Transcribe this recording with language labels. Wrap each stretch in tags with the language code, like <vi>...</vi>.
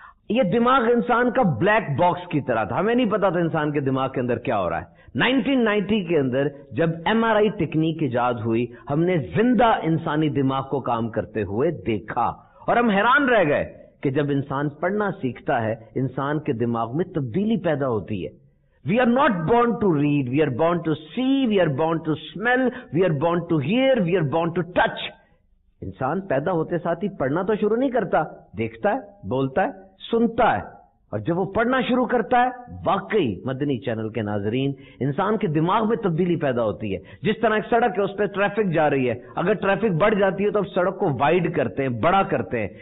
<ur>یہ دماغ انسان کا بلیک باکس کی طرح تھا, ہمیں نہیں پتا تھا انسان کے دماغ کے اندر کیا ہو رہا ہے. 1990 کے اندر جب ایم آر آئی ٹیکنیک ایجاد ہوئی, ہم نے زندہ انسانی دماغ کو کام کرتے ہوئے دیکھا اور ہم حیران رہ گئے کہ جب انسان پڑھنا سیکھتا ہے انسان کے دماغ میں تبدیلی پیدا ہوتی ہے.</ur> <en>We are not born to read, we are born to see, we are born to smell, we are born to hear, we are born to touch.</en> <ur>انسان پیدا ہوتے ساتھ ہی پڑھنا تو شروع نہیں کرتا, دیکھتا ہے, بولتا ہے, سنتا ہے. اور جب وہ پڑھنا شروع کرتا ہے, واقعی مدنی چینل کے ناظرین, انسان کے دماغ میں تبدیلی پیدا ہوتی ہے. جس طرح ایک سڑک ہے اس پہ ٹریفک جا رہی ہے, اگر ٹریفک بڑھ جاتی ہے تو آپ سڑک کو وائڈ کرتے ہیں, بڑا کرتے ہیں.</ur>